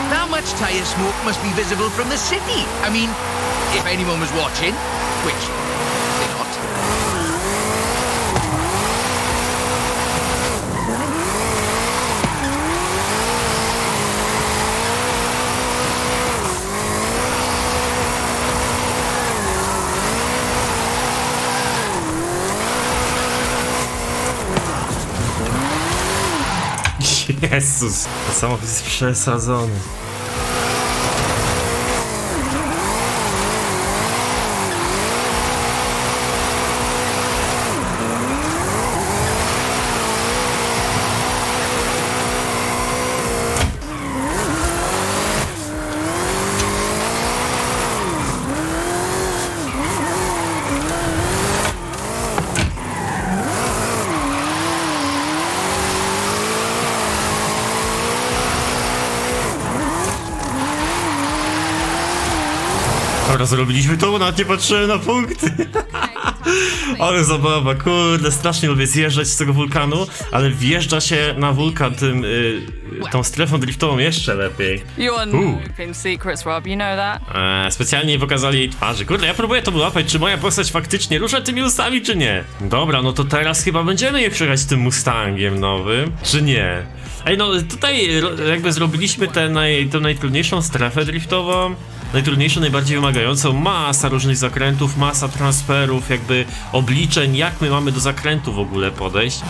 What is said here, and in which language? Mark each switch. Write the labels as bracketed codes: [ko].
[en] Smoke must be visible from the city. I mean, if anyone was watching, which they're not. [pl] Jezus, to samochód jest przesadzony. Zrobiliśmy to, bo nawet nie patrzyłem na punkty. Ale zabawa, kurde, strasznie lubię zjeżdżać z tego wulkanu, ale wjeżdża się na wulkan tym, tą strefą driftową jeszcze lepiej. [en] You are knowing secrets, Rob, you know that? [pl] Specjalnie pokazali jej twarzy. Kurde, ja próbuję to wyłapać, czy moja postać faktycznie rusza tymi ustami, czy nie. Dobra, no to teraz chyba będziemy je przejechać tym Mustangiem nowym, czy nie? Ej, no tutaj jakby zrobiliśmy tę najtrudniejszą strefę driftową. Najtrudniejszą, najbardziej wymagającą, masa różnych zakrętów, masa transferów, jakby obliczeń, jak my mamy do zakrętu w ogóle podejść.